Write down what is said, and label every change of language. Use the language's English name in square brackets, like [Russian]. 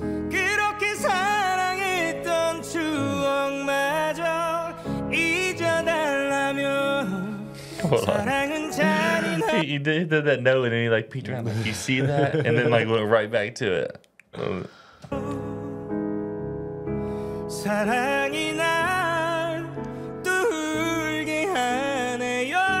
[Korean] 그렇게 사랑했던 추억마저 잊어달라며 사랑은 잔인한 [English] he did that note and then he like peeked around like, you see that? And then like went right back to it. [Korean] 사랑이 날 또 울게 하네요.